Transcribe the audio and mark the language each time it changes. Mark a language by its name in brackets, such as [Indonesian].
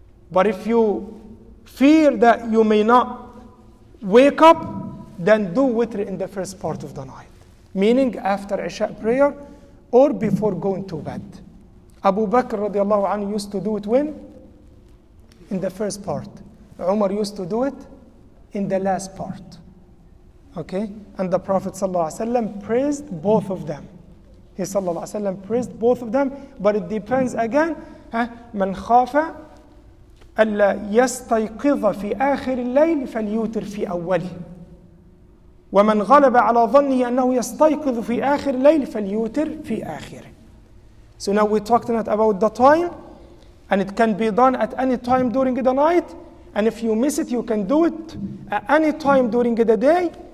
[English] But if you fear that you may not wake up, then do witr in the first part of the night, meaning after Isha prayer or before going to bed. Abu Bakr radiallahu anhu used to do it when? In the first part. Umar used to do it in the last part. Okay, and the Prophet sallallahu alaihi wasallam praised both of them. He sallallahu alaihi wasallam praised both of them, but it depends again. [Arabic] من خاف ألا يستيقظ في آخر الليل فليوتر في أوله. ومن غلب على ظني أنه يستيقظ في آخر الليل فليوتر في آخره. [English] So now we talked not about the time, and it can be done at any time during the night. And if you miss it, you can do it at any time during the day.